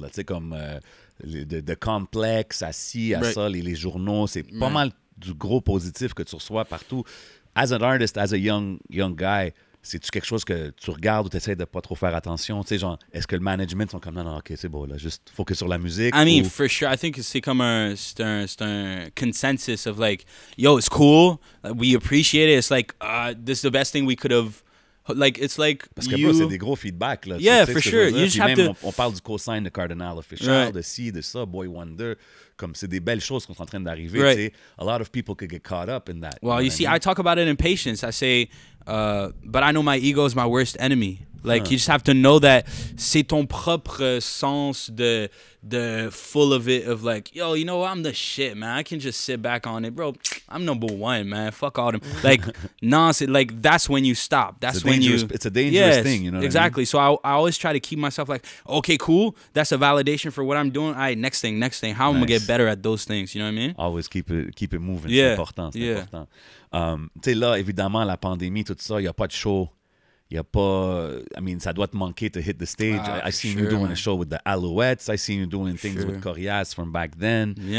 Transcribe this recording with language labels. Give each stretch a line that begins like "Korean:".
French: Tu sais, comme de Complex à ci, à right. ça, les journaux. C'est pas mal du gros positif que tu reçois partout.
English: As an artist, as a young guy,
French: c'est-tu quelque chose que tu regardes ou tu essaies de pas trop faire attention? Tu sais, genre, est-ce que le management sont comme non, OK, c'est beau, là, juste focus sur la musique?
English: I mean, ou... for sure. I think
French: c'est comme un consensus
English: of like, yo, it's cool. We appreciate it. It's like, this is the best thing we could have. Like, it's like.
French: Parce que, bro, c'est des gros feedbacks, là.
English: Yeah, for sure. You just have to.
French: On parle du co-sign de Kardinal, Offishal, right. de ci, de ça, Boy Wonder. Comme c'est des belles choses qu'on est en train d'arriver.
English: Right.
French: Tu sais,
English: a lot of people could get caught up in that. Well, you see, I talk about it in patience. I say, but I know my ego is my worst enemy. Like, you just have to know that
French: c'est ton propre sens de
English: full of it, of like, yo, you know what? I'm the shit, man. I can just sit back on it, bro. I'm number one, man. Fuck all them. Like, that's when you stop. That's when you... It's a dangerous thing, you know what exactly. I mean? So I always try to keep myself like, okay, cool. That's a validation for what I'm doing. All right, next thing. How am I going to get better at those things? You know what I mean? Always keep it moving. Yeah.
French: C'est important. Tu sais, là, évidemment, la pandémie, tout ça, il n'y a pas de show. Ça doit te manquer
English: to hit the stage. I seen you doing a show with the Alouettes. I seen you doing things with Corias from back then.